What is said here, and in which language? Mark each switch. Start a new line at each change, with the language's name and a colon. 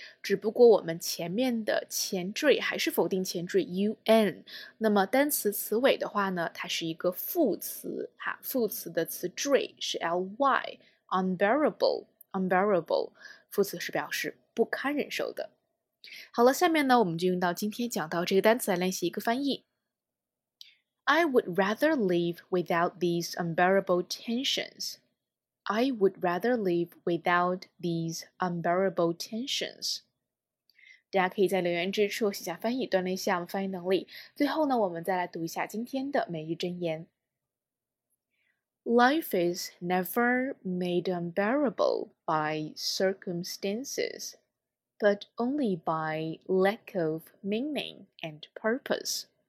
Chinese: 只不过我们前面的前缀还是否定前缀 un, 那么单词词尾的话呢它是一个副词哈，副词的词缀是 ly, unbearable, 副词是表示不堪忍受的。好了，下面呢我们就用到今天讲到这个单词来练习一个翻译。
English: I would rather live without these unbearable tensions. I would rather live without these unbearable tensions.
Chinese: 大家可以在留言之处写下翻译，锻炼一下我们翻译能力。最后呢，我们再来读一下今天的每日箴言。
English: Life is never made unbearable by circumstances, but only by lack of meaning and purpose.